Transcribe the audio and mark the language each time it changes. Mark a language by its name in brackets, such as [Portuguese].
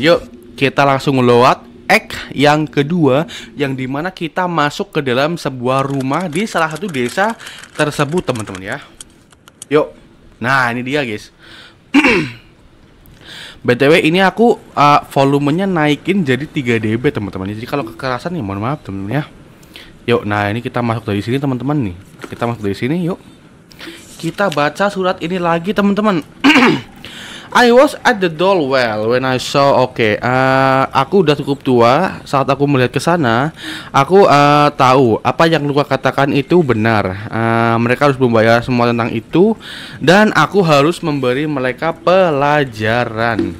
[Indonesian] Yuk, kita langsung lewat act yang kedua, yang dimana kita masuk ke dalam sebuah rumah di salah satu desa tersebut, teman-teman, ya. Yuk. Nah, ini dia, guys. BTW ini aku volumenya naikin jadi 3 dB, teman-teman. Jadi kalau kekerasan nih, mohon maaf, teman-teman, ya. Yuk, nah ini kita masuk dari sini, teman-teman, nih. Kita masuk dari sini, yuk. Kita baca surat ini lagi, teman-teman. [English] I was at the doll well when I saw. [Indonesian] Aku udah cukup tua. Saat aku melihat ke sana, aku tahu apa yang lu katakan itu benar. Mereka harus membayar semua tentang itu, dan aku harus memberi mereka pelajaran.